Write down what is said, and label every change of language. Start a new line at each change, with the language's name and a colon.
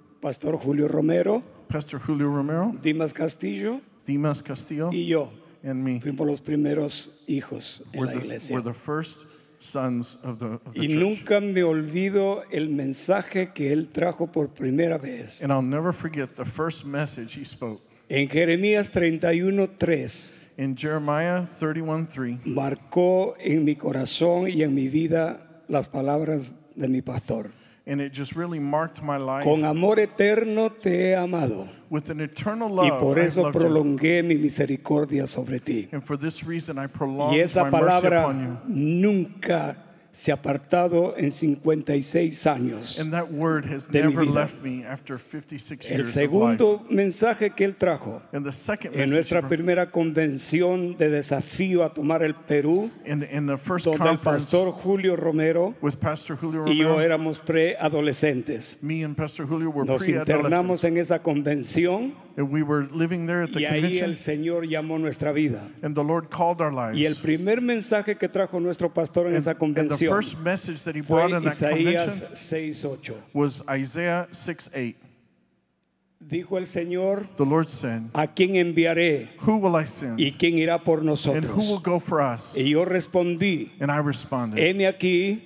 Spanish: Pastor Julio Romero,
English: Pastor Julio Romero,
Spanish: Dimas Castillo,
English: Dimas Castillo,
Spanish: y yo,
English: and me,
Spanish: fuimos los primeros hijos en la iglesia.
English: We're the first sons of the church.
Spanish: Y nunca me olvido el mensaje que él trajo por primera vez.
English: And I'll never forget the first message he spoke.
Spanish: En Jeremías 31:3.
English: In Jeremiah 31:3.
Spanish: Marcó en mi corazón y en mi vida las palabras de mi pastor.
English: And it just really marked my life.
Spanish: Con amor eterno te he amado.
English: With an eternal love,
Spanish: y por eso prolongué mi misericordia sobre ti.
English: And for this reason I prolonged my mercy upon you.
Spanish: Y esa palabra nunca se ha apartado en 56 años.
English: And that word has never left me after 56 years of life.
Spanish: El segundo mensaje que él trajo en nuestra primera convención de desafío a tomar el Perú,
English: in the first conference,
Spanish: donde el Pastor Julio Romero,
English: with Pastor Julio Romero
Spanish: y yo éramos preadolescentes.
English: Me and Pastor Julio were
Spanish: pre-adolescents. Nos internamos en esa convención.
English: And we were living there at the convention.
Spanish: Y ahí el Señor llamó nuestra vida.
English: And the Lord called our lives.
Spanish: Y el primer mensaje que trajo nuestro pastor en esa convención,
English: and the first message that he brought in that convention was Isaiah 6:8.
Spanish: Dijo el Señor,
English: the Lord said,
Spanish: ¿a quién enviaré?
English: Who will I send?
Spanish: ¿Y quién irá por nosotros?
English: And who will go for us?
Spanish: Y yo respondí,
English: and I responded,
Spanish: heme aquí,